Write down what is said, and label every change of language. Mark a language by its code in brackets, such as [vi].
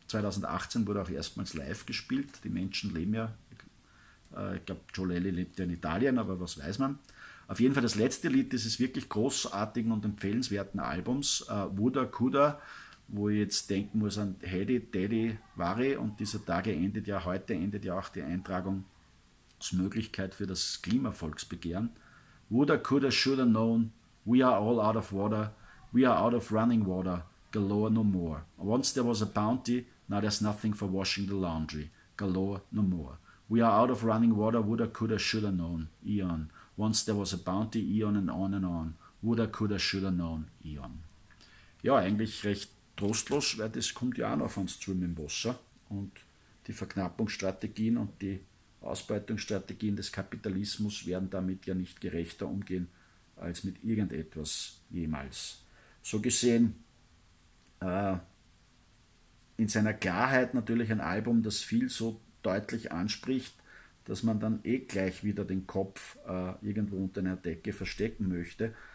[de] 2018 wurde auch erstmals live gespielt. Die Menschen leben ja, ich glaube, Joe Lally lebt ja in Italien, aber was weiß man. Auf jeden Fall das letzte Lied dieses wirklich großartigen und empfehlenswerten Albums, Wuda Kuda, wo ich jetzt denken muss an Hedy, Teddy, Wari, und dieser Tage endet ja, heute endet ja auch die Eintragung als Möglichkeit für das Klimavolksbegehren. [en] Woulda, coulda, shoulda known, we are all out of water, we are out of running water, galore no more. Once there was a bounty, now there's nothing for washing the laundry, galore no more. We are out of running water, woulda, coulda, shoulda known, eon. Once there was a bounty, eon and on, woulda, coulda, shoulda known, eon. [de] Ja, eigentlich recht trostlos, weil das kommt ja auch noch auf uns zu mit dem Wasser und die Verknappungsstrategien und die Ausbeutungsstrategien des Kapitalismus werden damit ja nicht gerechter umgehen als mit irgendetwas jemals. So gesehen, in seiner Klarheit natürlich ein Album, das viel so deutlich anspricht, dass man dann eh gleich wieder den Kopf irgendwo unter einer Decke verstecken möchte.